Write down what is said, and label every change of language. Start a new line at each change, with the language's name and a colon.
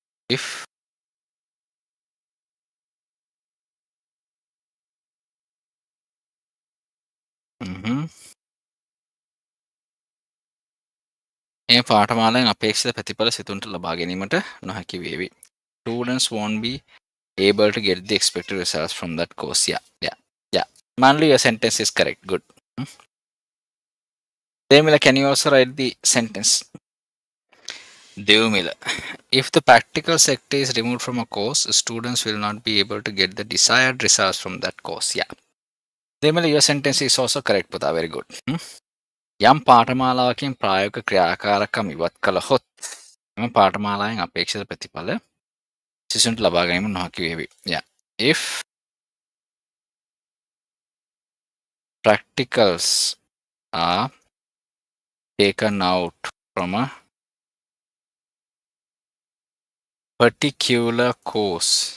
English: If
Sinhala: ඒ පාඨමාලාවෙන් අපේක්ෂිත ප්‍රතිඵල සිතුන්ට ලබා ගැනීමට නොහැකි වේවි.
English: Students won't be able to get the expected results from that course. Manly, your sentence is correct. Good. Devmila, can you also write the sentence? Devmila, if the practical sector is removed from a course, students will not be able to get the desired results from that course. Devmila, your sentence is also correct, Puta. Very good.
Sinhala: යම් පාඨමාලාවකින් ප්‍රායෝගික ක්‍රියාකාරකම් ඉවත් කළහොත් එම පාඨමාලාවෙන් අපේක්ෂිත ප්‍රතිඵල සිසුන්ට ලබා ගැනීම නොහැකි වේවි.
English: If practicals are taken out from a particular course,